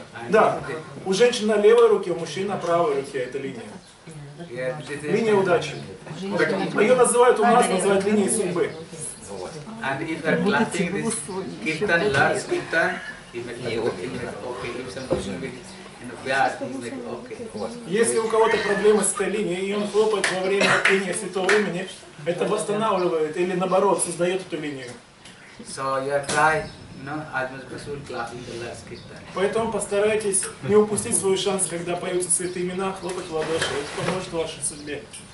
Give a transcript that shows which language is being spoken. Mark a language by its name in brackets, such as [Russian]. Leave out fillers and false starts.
[Russian] Да, у женщин на левой руке, у мужчин на правой руке эта линия. Линия удачи. Ее называют у нас, называют линией судьбы. Вот. [English] And if you are planting this kirtan, large kirtan, he make okay. If something will in bad, he make okay. [Russian] Если у кого-то проблемы с этой линией, и он хлопает во время пения святого имени, это восстанавливает или наоборот создает эту линию. [English] So you are try, no, as much possible clapping the last kirtan. [Russian] Поэтому постарайтесь не упустить свой шанс, когда поются святые имена, хлопать в ладоши. Это поможет вашей судьбе.